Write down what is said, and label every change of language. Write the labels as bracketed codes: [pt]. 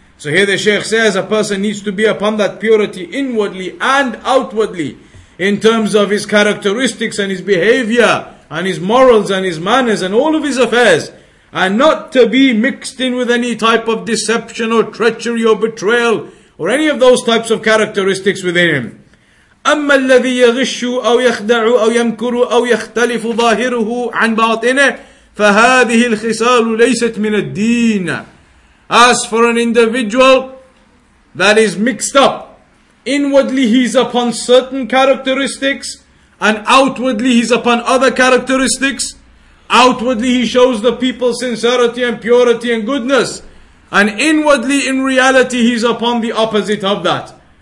[en] So here the Shaykh says a person needs to be upon that purity inwardly and outwardly, in terms of his characteristics and his behavior and his morals and his manners and all of his affairs, and not to be mixed in with any type of deception or treachery or betrayal or any of those types of characteristics within him. [ar] أما الذي يغش أو يخدع أو يمكر أو يختلف ظاهره عن باطنه فهذه الخصال ليست من الدين. [en] As for an individual that is mixed up, inwardly he's upon certain characteristics and outwardly he's upon other characteristics. Outwardly he shows the people sincerity and purity and goodness, and inwardly in reality he's upon the opposite of that.